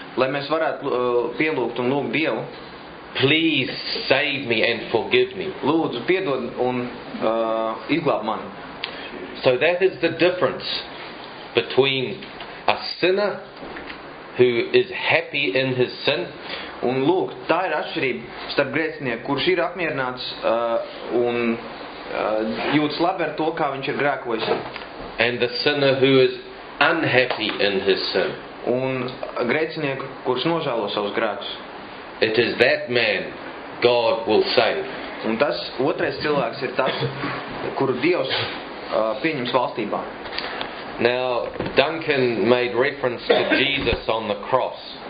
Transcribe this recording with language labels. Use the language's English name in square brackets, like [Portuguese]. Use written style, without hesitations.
[Latvian] Lai mēs varētu pielūgt un lūgt Dievu. [English] Please save me and forgive me. [Latvian] Lūdzu, piedod un izglāb mani. [English] So that is the difference between a sinner who is happy in his sin. [Latvian] Un lūk, tā ir atšķirība starp grēcinieku, kurš ir apmierināts un jūtas labi ar to, kā viņš ir grēkojis. [English] And the sinner who is unhappy in his sin. [Latvian] Un grēcinieku, kurš nožālo savus grēkus. [English] It is that man God will save. [Latvian] Un tas otrais cilvēks ir tas, kuru Dievs pieņems valstībā. [English] Now, Duncan made reference to Jesus on the cross.